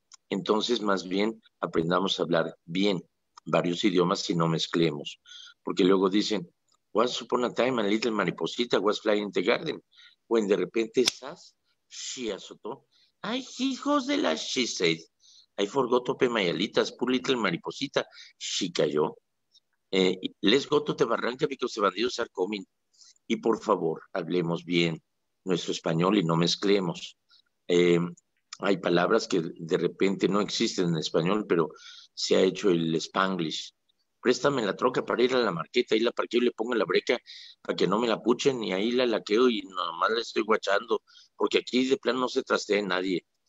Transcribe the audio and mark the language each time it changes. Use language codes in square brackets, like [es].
[es] Entonces, más bien, aprendamos a hablar bien varios idiomas y no mezclemos. Porque luego dicen, [en] Once upon a time, a little mariposita was flying in the garden. When [es] de repente estás, [en] she [es] asotó. ¡Ay, hijos de la [en] she said! I forgot to pay my alitas, poor little mariposita, she [es] cayó. [en] Let's go to the barranca because the bandidos are coming. [es] Y por favor, hablemos bien nuestro español y no mezclemos. Hay palabras que de repente no existen en español, pero se ha hecho el Spanglish. Préstame la troca para ir a la marqueta, ahí la parqueo y le pongo la breca para que no me la puchen y ahí la laqueo y nomás la estoy guachando, porque aquí de plano no se trastea nadie.